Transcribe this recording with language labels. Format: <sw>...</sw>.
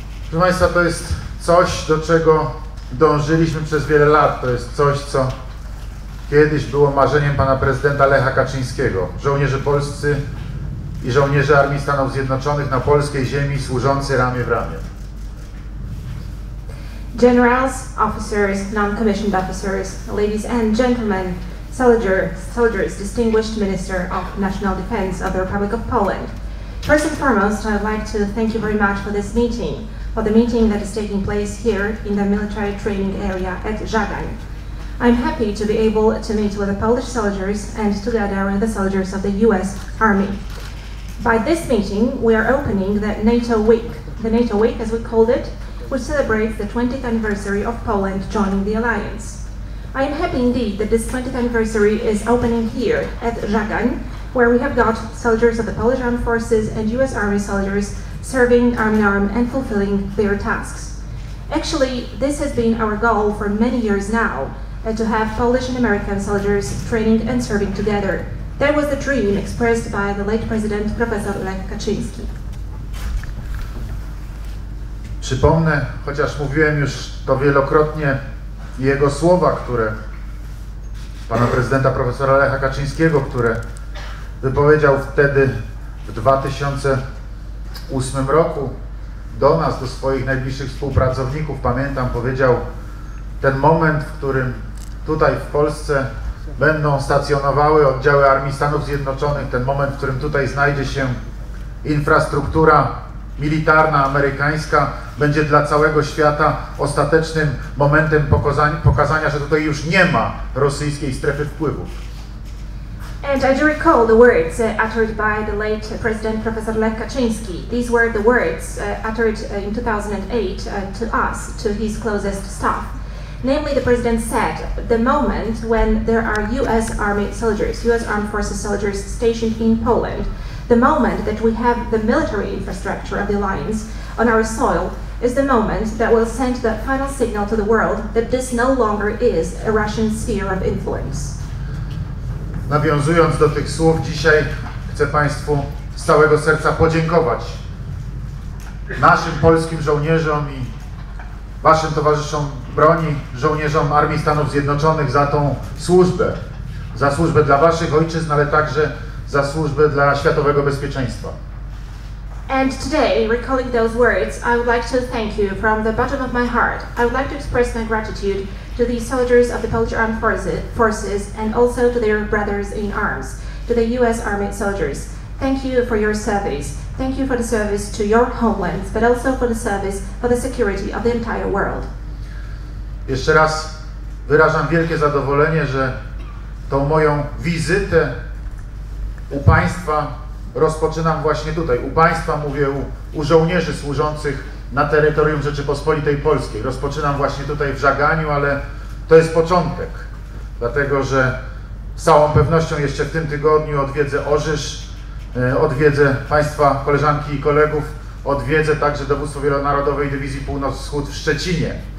<pl>Proszę państwa, to jest coś, do czego dążyliśmy przez wiele lat. To jest coś, co kiedyś było marzeniem pana prezydenta Lecha Kaczyńskiego. Żołnierze polscy i żołnierze Armii Stanów Zjednoczonych na polskiej ziemi służący ramię w ramię.</pl> <en>Generals, officers, non-commissioned officers, ladies and gentlemen, soldiers, distinguished minister of national defense of the Republic of Poland. First and foremost, I would like to thank you very much for this meeting, for the meeting that is taking place here in the military training area at Żagań. I'm happy to be able to meet with the Polish soldiers and together with the soldiers of the US Army. By this meeting, we are opening the NATO Week. The NATO Week, as we called it, which celebrates the 20th anniversary of Poland joining the alliance. I am happy indeed that this 20th anniversary is opening here at Żagań, where we have got soldiers of the Polish Armed Forces and US Army soldiers serving arm in arm and fulfilling their tasks. Actually, this has been our goal for many years now, to have Polish and American soldiers training and serving together. That was the dream expressed by the late President Professor Lech Kaczyński.</en> <pl>Przypomnę, chociaż mówiłem już to wielokrotnie, jego słowa, które pana prezydenta profesora Lecha Kaczyńskiego, które wypowiedział wtedy w 2008 roku do nas, do swoich najbliższych współpracowników, pamiętam, powiedział ten moment, w którym tutaj w Polsce będą stacjonowały oddziały Armii Stanów Zjednoczonych, ten moment, w którym tutaj znajdzie się infrastruktura militarna amerykańska, będzie dla całego świata ostatecznym momentem pokazania, że tutaj już nie ma rosyjskiej strefy wpływów.</pl> <en>And I do recall the words uttered by the late President Professor Lech Kaczyński. These were the words uttered in 2008 to us, to his closest staff. Namely, the president said, the moment when there are US Army soldiers, US Armed Forces soldiers stationed in Poland, the moment that we have the military infrastructure of the alliance on our soil is the moment that will send the final signal to the world that this no longer is a Russian sphere of influence.</en> <pl>Nawiązując do tych słów, dzisiaj chcę państwu z całego serca podziękować naszym polskim żołnierzom i waszym towarzyszom broni, żołnierzom Armii Stanów Zjednoczonych za tą służbę. Za służbę dla waszych ojczyzn, ale także za służbę dla światowego bezpieczeństwa.</pl> <en>And today, recalling those words, I would like to thank you from the bottom of my heart. I would like to express my gratitude to the soldiers of the Polish Armed Forces and also to their brothers in arms, to the US Army soldiers. Thank you for your service. Thank you for the service to your homelands, but also for the service for the security of the entire world.</en> <pl>Jeszcze raz wyrażam wielkie zadowolenie, że tą moją wizytę u państwa rozpoczynam właśnie tutaj. U państwa mówię, u żołnierzy służących na terytorium Rzeczypospolitej Polskiej. Rozpoczynam właśnie tutaj w Żaganiu, ale to jest początek, dlatego że z całą pewnością jeszcze w tym tygodniu odwiedzę Orzysz, odwiedzę Państwa koleżanki i kolegów, odwiedzę także Dowództwo Wielonarodowej Dywizji Północ-Wschód w Szczecinie.</pl>